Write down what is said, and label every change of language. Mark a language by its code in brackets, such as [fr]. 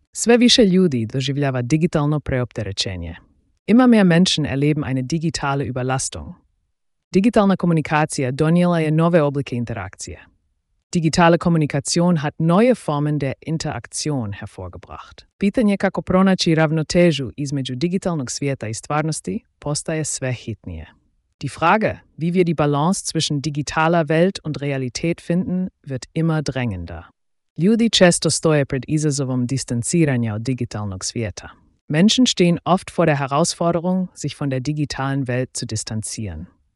[hr] Sve više ljudi doživljava digitalno preopterećenje. [de] Immer mehr Menschen erleben eine digitale Überlastung. [hr] Digitalna komunikacija donijela je nove oblike interakcije. [de] Digitale Kommunikation hat neue Formen der Interaktion hervorgebracht. [hr] Pitanje kako pronaći ravnotežu između digitalnog svijeta i stvarnosti postaje sve hitnije. [de] Die Frage, wie wir die Balance zwischen digitaler Welt und Realität finden, wird immer drängender. [hr] Ljudi često stoje pred izazovom distanciranja od digitalnog svijeta. [de] Menschen stehen oft vor der Herausforderung, sich von der digitalen Welt zu distanzieren.